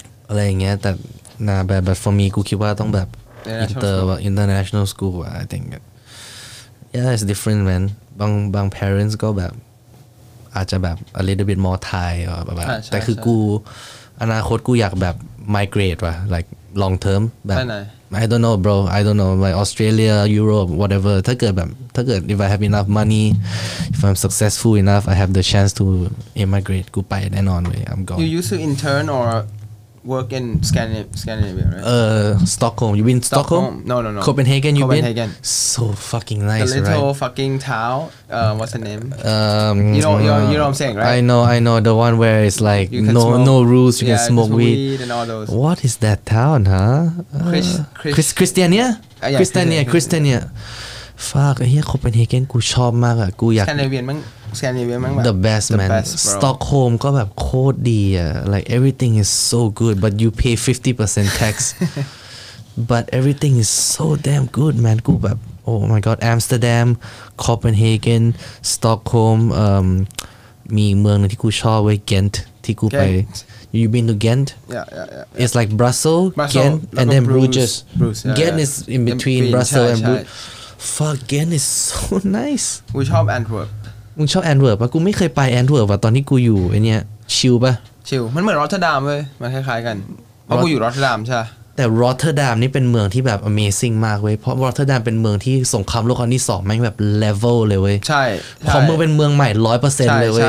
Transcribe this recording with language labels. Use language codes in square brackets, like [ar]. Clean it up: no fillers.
[th] อะไรอย่างเงี้ยแต่นะแบบ [en] but for me [th] กูคิดว่าต้องแบบ international school อ่ะ [en] I think yeah it's different man [th] บาง parents ก็แบบอาจจะแบบ [en] a little bit more Thai [th] แบบแต่คือกูอนาคตกูอยากแบบ migrate ว่ะ [en] like long term [th] แบบ [en] I don't know bro I don't know like Australia Europe whatever [th] ถ้าเกิด [en] if I have enough money if I'm successful enough I have the chance to immigrate [th] กูไปแน่นอนเลย [en] I'm gone you used to intern orWork in Scandinavia, right? Stockholm. You been Stockholm? No. Copenhagen. You been? So fucking nice, right? The little right? fucking town. What's the name? You know what I'm saying, right? I know. The one where it's like no rules. You can smoke weed and all those. What is that town, huh? Christiania? Christiania. Fuck. Here, Copenhagen. I like. Scandinavian the best man best, Stockholm [th] ก็แบบโคตรดีอ่ะ [en] like everything is so good but you pay 50% tax but everything is so damn good man [th] กูแบบ [en] oh my god Amsterdam Copenhagen Stockholm [th] มีเมืองนึงที่กูชอบไว้ [en] Ghent [th] ที่กูไป [en] you been to Ghent yeah. it's like Brussels Ghent and then Bruges yeah, Ghent yeah. is in between Brussels and Bruges fuck Ghent is so nice we ชอบ Antwerp [th] มึงชอบแอนเวิร์บป่ะกูไม่เคยไปแอนเวิร์บอ่ะตอนที่กูอยู่ไอเนี้ยชิลป่ะ ชิลมันเหมือนร็อตเทอร์ดัมเว้ยมันคล้ายๆกันเพราะกูอยู่ร็อตเทอร์ดัมใช่ แต่ร็อตเทอร์ดัมนี่เป็นเมืองที่แบบอเมซิ่งมากเว้ยเพราะร็อตเทอร์ดัมเป็นเมืองที่สงครามโลกครั้งที่2แม่งแบบเลเวลเลยเว้ย ใช่พอเมืองเป็นเมืองใหม่ 100% เลยเว้ย